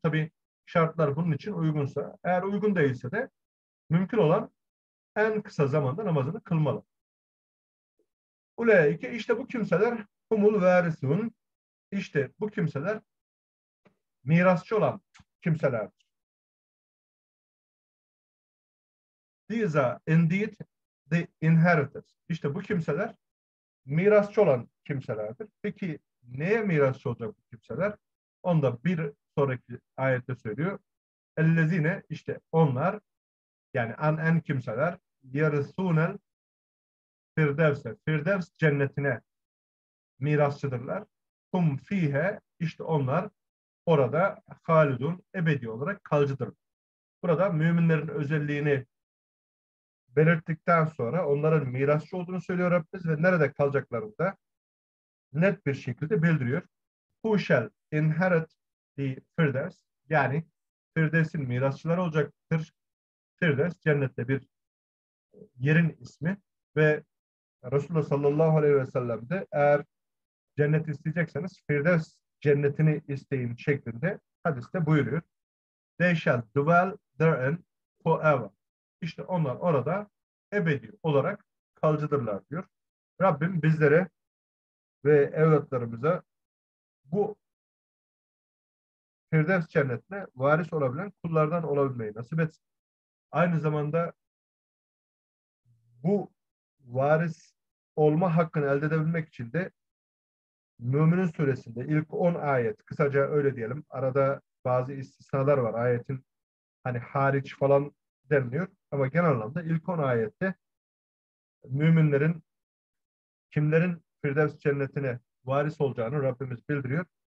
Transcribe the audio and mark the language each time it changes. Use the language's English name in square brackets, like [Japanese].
[Turkish] Tabii şartlar bunun için uygunsa, eğer uygun değilse de mümkün olan en kısa zamanda namazını kılmalı. Ulaike, işte bu kimseler humul varisun, işte bu kimseler mirasçı olan kimselerdir. [English] These are indeed the inheritors. [Turkish] İşte bu kimseler mirasçı olan kimselerdir. Peki neye mirasçı olacak bu kimseler? Onda bir sonraki ayette söylüyor. Ellezine, işte onlar, yani en kimseler, yarısunel firdevse, firdevs cennetine mirasçıdırlar. Hum fihe, işte onlar orada halidun, ebedi olarak kalıcıdır. Burada müminlerin özelliğini belirttikten sonra onların mirasçı olduğunu söylüyor Rabbimiz ve nerede kalacaklarını da net bir şekilde bildiriyor. [English] Who shall inherit the firdevs? [Turkish] Yani Firdevs'in mirasçıları olacaktır. Firdevs cennette bir yerin ismi ve Resulullah sallallahu aleyhi ve sellem de eğer cennet isteyecekseniz Firdevs cennetini isteyin şeklinde hadiste buyuruyor. [English] They shall dwell therein forever. [Turkish] İşte onlar orada ebedi olarak kalıcıdırlar diyor. Rabbim bizlere ve evlatlarımıza bu Firdevs cennetine varis olabilen kullardan olabilmeyi nasip etsin. Aynı zamanda bu varis olma hakkını elde edebilmek için de Müminin suresinde ilk 10 ayet, kısaca öyle diyelim, arada bazı istisnalar var, ayetin hani hariç falan deniliyor ama genel anlamda ilk 10 ayette müminlerin kimlerin Firdevs cennetine varis olacağını Rabbimiz bildiriyor.